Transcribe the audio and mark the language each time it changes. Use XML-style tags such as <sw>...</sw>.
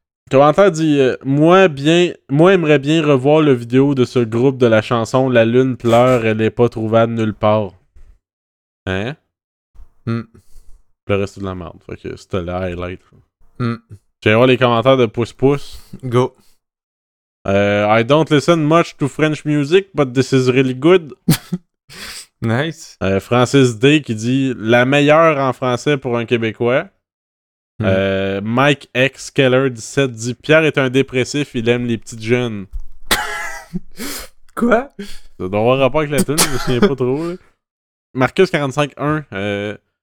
<fr>Commentaire dit moi aimerais bien revoir la vidéo de ce groupe de la chanson La Lune pleure, elle est pas trouvable nulle part. Hein? Le reste de la merde. Fait que c'était le highlight. Je vais voir les commentaires de Pouce Pouce. Go.</fr> <en>I don't listen much to French music, but this is really good. Nice.</en> <fr>Francis D qui dit la meilleure en français pour un Québécois. Mike X Keller 17 dit Pierre est un dépressif, il aime les petites jeunes. Quoi? Ça doit avoir rapport avec la tune, je me souviens pas trop. Là. Marcus 45-1.</fr>